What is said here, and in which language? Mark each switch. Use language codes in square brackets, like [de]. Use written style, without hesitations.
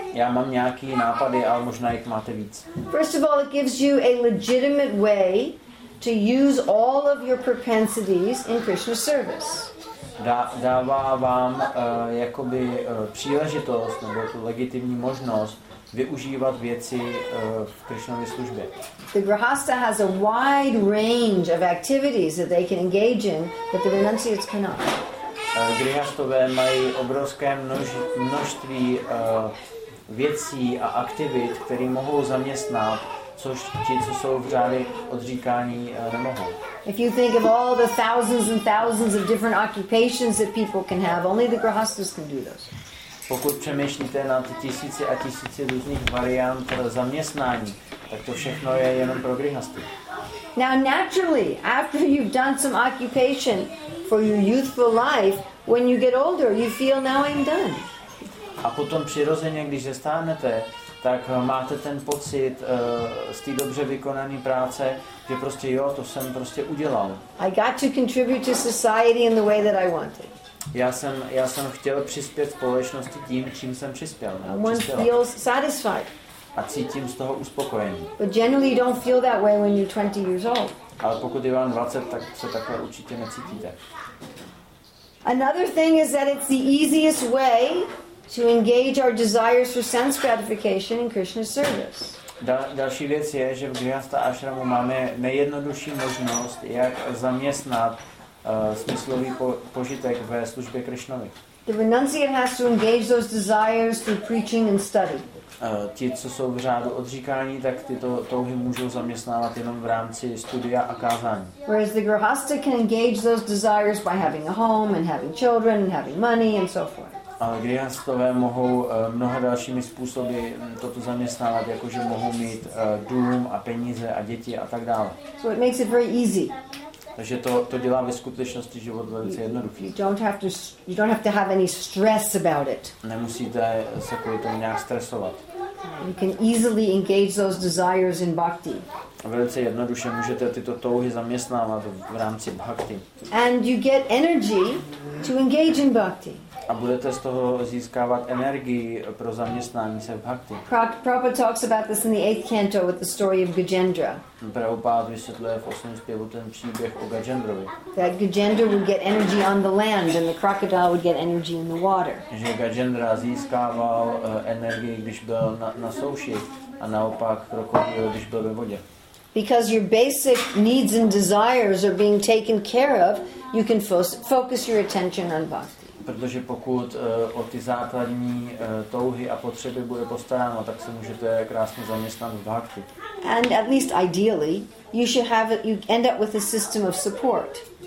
[cs] Já mám nějaký nápady, ale možná jich máte víc. [en] First of all, it gives you a legitimate way to use all of your propensities in Krishna's service. [cs] Dává vám jakoby příležitost nebo tu legitimní možnost využívat věci v Krishnově službě. [en] The Grihastha has a wide range of activities that they can engage in, but the renunciates cannot. [cs] Grihastové mají obrovské množství věcí a aktivit, které mohou zaměstnat, což ti, co jsou v řádě odříkání, nemohou. [en] If you think of all the thousands and thousands of different occupations that people can have, only the Grihasthas can do those. [cs] Pokud přemýšlíte na ty tisíce a tisíce různých variant zaměstnání, tak to všechno je jenom pro grihasty. [en] Now naturally, after you've done some occupation for your youthful life, when you get older, you feel now I'm done. [cs] A potom přirozeně, když zestárnete, tak máte ten pocit z té dobře vykonané práce, že prostě jo, to jsem prostě udělal. [en] I got to contribute to society in the way that I wanted. [cs] Já jsem chtěl přispět společnosti tím, čím jsem přispěl. [en] One feels satisfied. [cs] A cítím z toho uspokojení. [en] But generally you don't feel that way when you're 20 years old. [cs] Ale pokud je vám 20, tak se takhle určitě necítíte. [en] Another thing is that it's the easiest way to engage our desires for sense gratification in Krishna's service. [cs] Další věc je, že v Grihastha Ashramu máme nejjednodušší možnost, jak zaměstnat smyslový požitek ve službě Krishnovi. [en] The renunciate has to engage those desires through preaching and study. [cs] Ti, co jsou v řádu odříkání, tak tyto touhy můžou zaměstnávat jenom v rámci studia a kázání. [en] Whereas the grihastha can engage those desires by having a home and having children and having money and so forth. [cs] Ale grihasthové mohou mnoha dalšími způsoby toto zaměstnávat, jakože mohou mít dům a peníze a děti a tak dále. [en] So it makes it very easy. [cs] Takže to dělá ve skutečnosti život velice jednoduchý. [en] You don't have to have any stress about it. [cs] Nemusíte se kvůli tomu nějak stresovat. [en] You can easily engage those desires in bhakti. [cs] Velice jednoduše můžete tyto touhy zaměstnávat v rámci bhakti. [en] And you get energy to engage in bhakti. [cs] A budete z toho získávat energii pro zaměstnání se v bhakti. [en] Prabhupada talks about this in the 8th canto with the story of Gajendra. [cs] Prabhupada vysvětluje v 8. zpěvu ten příběh o Gajendrovi. [en] That Gajendra would get energy on the land and the crocodile would get energy in the water. [cs] Že Gajendra získával energii, když byl na souši, a naopak krokodýl, když byl ve vodě. [en] Because your basic needs and desires are being taken care of, you can focus your attention on bhakti. [cs] Protože pokud o ty základní touhy a potřeby bude postaráno, tak se můžete krásně zaměstnat v bhakti. [en] And at least ideally, you end up with a system of support.